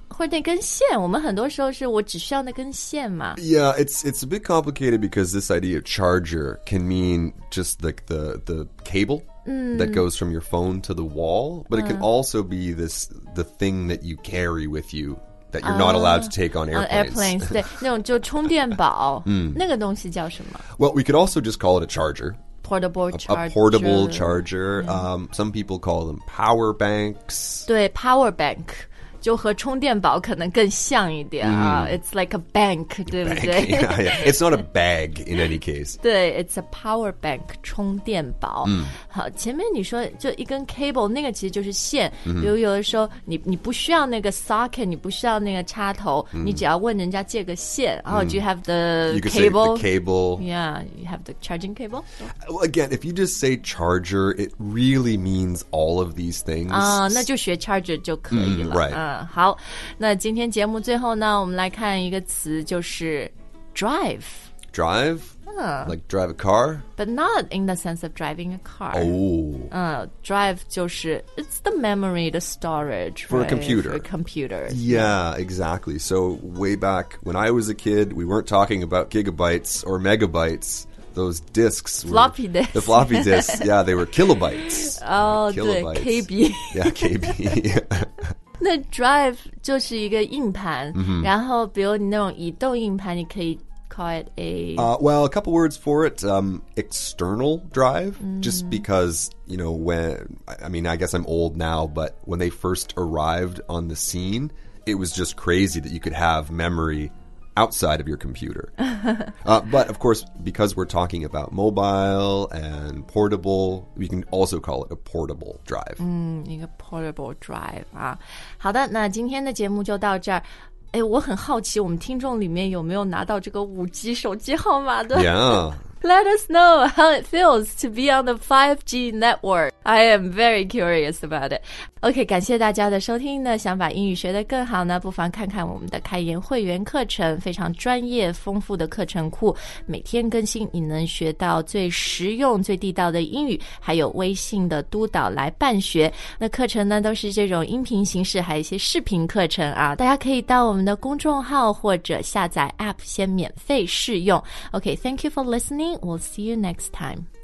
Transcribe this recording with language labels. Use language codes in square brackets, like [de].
[zh] 或者那根线，我们很多时候是我只需要那根线嘛。 [en] Yeah, it's a bit complicated because this idea of charger can mean just like the cable、that goes from your phone to the wall, but it can also be the thing that you carry with you that you're not allowed to take on airplanes. [zh] Airplanes, 对，那种就充电宝，那个东西叫什么 [en] ？Well, we could also just call it a charger. A portable charger.、 Some people call them power banks. 对 ，power bank. [zh] 就和充电宝可能更像一点啊、 [en] It's like a bank, [zh] 对不对 [en] bank, yeah. It's not a bag in any case. 对 it's a power bank, [zh] 充电宝。好前面你说就一根 cable, 那个其实就是线。比如有的时候你不需要那个 socket, 你不需要那个插头、你只要问人家借个线。 [en] Oh, do you have the you You can say the cable. Yeah, you have the charging cable?、 Well, again, if you just say charger, it really means all of these things. [zh] 啊、那就学 charger 就可以了。 [en] Right. [zh] 好，那今天节目最后呢，我们来看一个词，就是 drive. [en] Drive? Like drive a car? But not in the sense of driving a car. Oh. Drive [zh] 就是 [en] it's the memory, the storage. For、 right? a computer. For a computer. Yeah, exactly. So way back when I was a kid, we weren't talking about gigabytes or megabytes. Those disks were, floppy disks the floppy disks yeah they were kilobytes oh kilobytes. 对 KB yeah [zh] KB 那 drive 就是一个硬盘、然后比如你那种移动硬盘你可以 [en] call it a well a couple words for it external drive、just because you know when I mean I guess I'm old now but when they first arrived on the scene it was just crazy that you could have memoryOutside of your computer. but of course, because we're talking about mobile and portable, we can also call it a portable drive. 一个 portable drive. [zh] 啊。好的，那今天的节目就到这儿。哎，我很好奇我们听众里面有没有拿到这个 5G 手机号码的。 [en] Yeah. Let us know how it feels to be on the 5G network. I am very curious about it. [zh] OK, 感谢大家的收听呢。想把英语学得更好呢，不妨看看我们的开言会员课程，非常专业丰富的课程库，每天更新，你能学到最实用最地道的英语，还有微信的督导来办学。那课程呢都是这种音频形式，还有一些视频课程啊，大家可以到我们的公众号或者下载 APP 先免费试用。 [en] OK, thank you for listening. We'll see you next time.